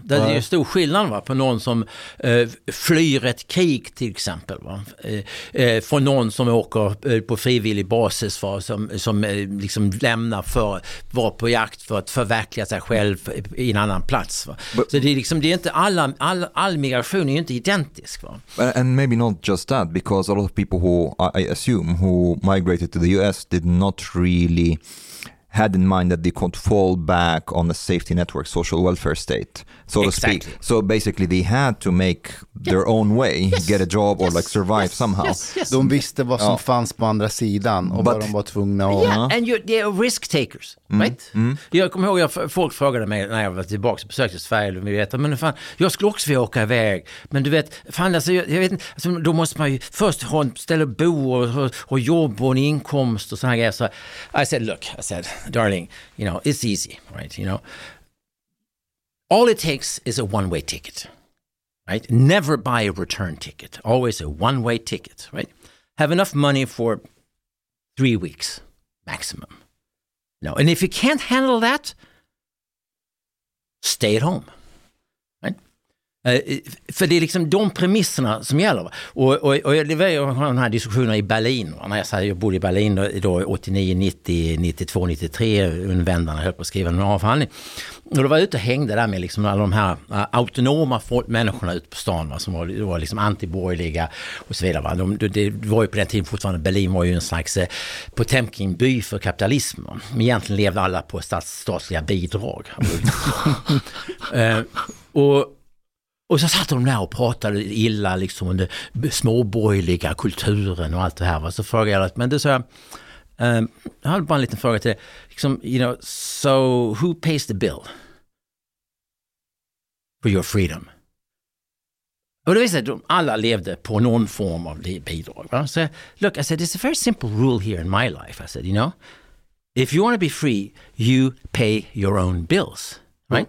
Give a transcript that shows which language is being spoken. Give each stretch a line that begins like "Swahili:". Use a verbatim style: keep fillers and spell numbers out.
Swedish: Det är ju stor skillnad va? På någon som eh, flyr ett krig till exempel. Va? Eh, från någon som åker eh, på frivillig basis för, som, som eh, liksom lämnar för att vara på jakt för att förverkliga sig själv i en annan plats. Va? But, Så det är liksom, det är inte alla, all, all migration är ju inte identisk. Va?
English: And maybe not just that, because a lot of people who I assume who migrated to the U S did not really had in mind that they could fall back on the safety network, social welfare state, so exactly. to speak. So basically they had to make yeah. their own way, yes. get a job yes. or like survive yes. somehow. Yes.
Swedish: Yes. De visste vad som oh. fanns på andra sidan och But, vad de var tvungna att...
English: Yeah, and you, they are risk takers, mm. right? Mm.
Swedish: Jag kommer ihåg att folk frågade mig när jag var tillbaka och besökte Sverige, vi vet, men fan, jag skulle också vilja åka iväg. Men du vet, fan, alltså, jag, jag vet inte, alltså, då måste man ju först ha en ställe att bo och, och, och jobb och en inkomst och sådana grejer. Så
English: I said, look, I said, darling, you know, it's easy, right? You know, all it takes is a one-way ticket, right? Never buy a return ticket. Always a one-way ticket, right? Have enough money for three weeks maximum. No, and if you can't handle that, stay at home, right?
Swedish: Uh, för det är liksom de premisserna som gäller. Och, och, och jag har den här diskussionen i Berlin. När jag, här, jag bodde i Berlin då, då åttionio, nittio, nittiotvå, nittiotre undvändarna höll på att skriva en avhandling. Och då var jag ute och hängde där med liksom alla de här uh, autonoma folk, människorna ute på stan va, som var, var liksom antiborgerliga och så vidare. Va. De, de, det var ju på den tiden fortfarande, Berlin var ju en slags uh, Potemkinby för kapitalism. Va. Men egentligen levde alla på stats, statliga bidrag. uh, och Och så satt de där och pratade illa liksom om den småborgerliga kulturen och allt det här. Va? Så frågade jag, men det så här, um, jag hade bara en liten fråga till dig. Liksom,
English: you know, so who pays the bill for your freedom?
Swedish: Och det visade att alla levde på någon form av bidrag. Va? Så
English: look, I said, it's a very simple rule here in my life. I said, you know, if you want to be free, you pay your own bills, right?